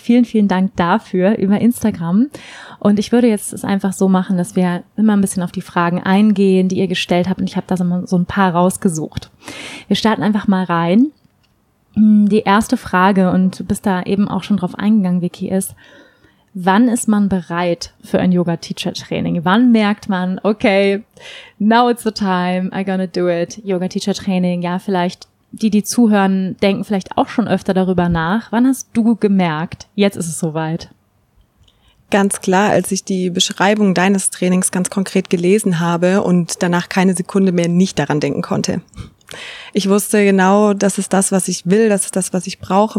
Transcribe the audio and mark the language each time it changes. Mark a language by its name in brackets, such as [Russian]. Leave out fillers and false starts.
[German] Vielen, vielen Dank dafür über Instagram. Und ich würde jetzt es einfach so machen, dass wir immer ein bisschen auf die Fragen eingehen, die ihr gestellt habt. Und ich habe da so ein paar rausgesucht. Wir starten einfach mal rein. Die erste Frage, und du bist da eben auch schon drauf eingegangen, Vicky, ist, wann ist man bereit für ein Yoga-Teacher-Training? Wann merkt man, okay, [English] now it's the time, I gonna do it, [German] Yoga-Teacher-Training? Ja, vielleicht die, die zuhören, denken vielleicht auch schon öfter darüber nach. Wann hast du gemerkt, jetzt ist es soweit? Ganz klar, als ich die Beschreibung deines Trainings ganz konkret gelesen habe und danach keine Sekunde mehr nicht daran denken konnte. Ich wusste genau, das ist das, was ich will, das ist das, was ich brauche.